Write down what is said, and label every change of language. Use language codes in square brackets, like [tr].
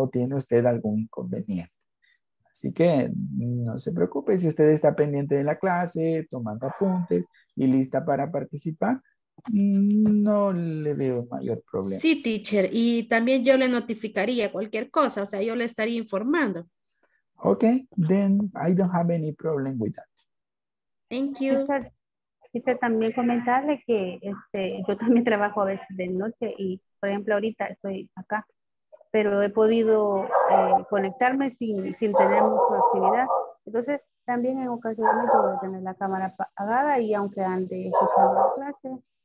[es] O tiene usted algún inconveniente. Así que no se preocupe, si usted está pendiente de la clase, tomando apuntes y lista para participar, no le veo mayor problema. Sí, teacher, y también yo le notificaría cualquier cosa, o sea, yo le estaría informando. [en] Ok, then I don't have any problem with that. Thank you. [es] Quise también comentarle que yo también trabajo a veces de noche y, por ejemplo, ahorita estoy acá, pero he podido conectarme sin tener mucha actividad. Entonces, también en ocasiones puedo tener la cámara apagada y aunque ande escuchando la clase.